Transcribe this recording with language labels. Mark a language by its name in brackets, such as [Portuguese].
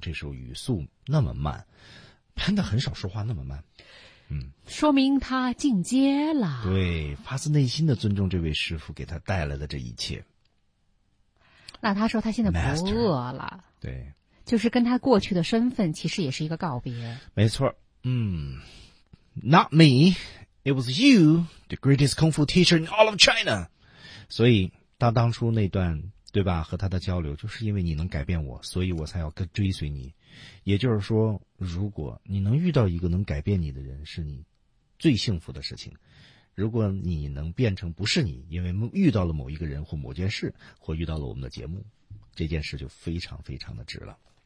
[Chinese] 这时候语速那么慢，潘达很少说话那么慢，嗯，说明他进阶了。对，发自内心的尊重这位师傅给他带来的这一切。那他说他现在不饿了， Master, 对，就是跟他过去的身份其实也是一个告别。没错，嗯 [English] ，Not me, it was you, the greatest kung fu teacher in all of China. [Chinese] 所以他当初那段对吧和他的交流就是因为你能改变我所以我才要跟追随你也就是说如果你能遇到一个能改变你的人是你最幸福的事情如果你能变成不是你因为遇到了某一个人或某件事或遇到了我们的节目这件事就非常非常的值了